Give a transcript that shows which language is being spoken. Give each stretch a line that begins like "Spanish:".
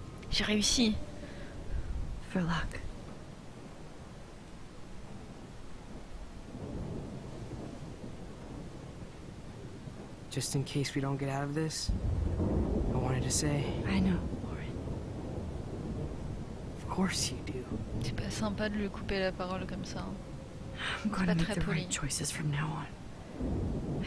French: J'ai réussi.
English: For luck. Just in case we don't get out of this, I wanted to say. I know, Warren. Of course you do.
French: C'est pas sympa de lui couper la parole comme ça.
English: I'm gonna make the right choices from now on.